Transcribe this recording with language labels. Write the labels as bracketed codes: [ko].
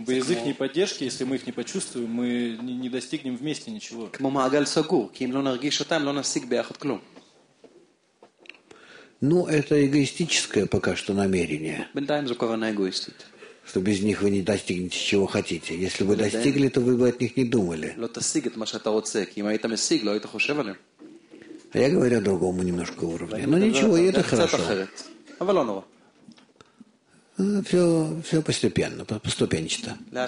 [ru] Без их не поддержки, если мы их не почувствуем, мы не достигнем вместе ничего. [he] כמו מעגל סגור, כי אם לא נרגיש אותם, לא נשיג ביחד כלום. [ru] Ну, это эгоистическое пока что намерение. [he] בינתיים זו כוונה אגואיסטית. [ru] Что без них вы не достигнете чего хотите. Если бы достигли, то вы бы от них не думали. [he] לא תשיג את מה שאתה רוצה, כי אם היית משיג, לא היית חושב עליהם. [ru] Я говорю о другом немножко уровне. Но ничего, и это хорошо. [he] אבל לא נורא. [ru] Все постепенно, поступенчато.